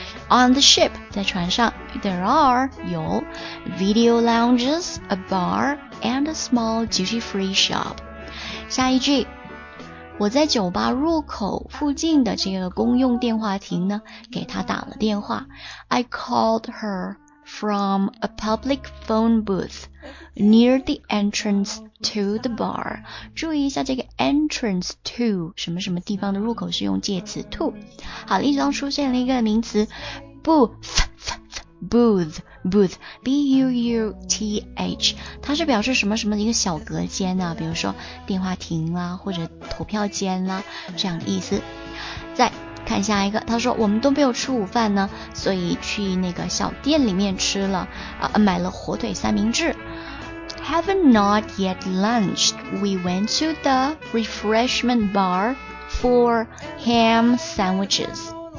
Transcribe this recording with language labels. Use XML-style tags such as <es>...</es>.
<en>On the ship，</en> <zh>在船上</zh> <en>，there are</en> <zh>有</zh> <en>video lounges， a bar， and a small duty free shop。</en> <zh>下一句，我在酒吧入口附近的这个公用电话亭呢，给她打了电话。</zh> <en>I called her from a public phone booth near the entrance to the bar.</en> <zh>注意一下这个 entrance to 什么什么地方的入口是用介词 to。好，例子当中出现了一个名词 booth， booth, B-U-U-T-H, 它是表示什么什么一个小隔间啊，比如说电话亭啦、啊、或者投票间啦、啊、这样的意思。再看下一个，他说我们都没有吃午饭呢，所以去那个小店里面吃了、买了火腿三明治。</zh> <en>Have not yet lunched. We went to the refreshment bar for ham sandwiches.</en>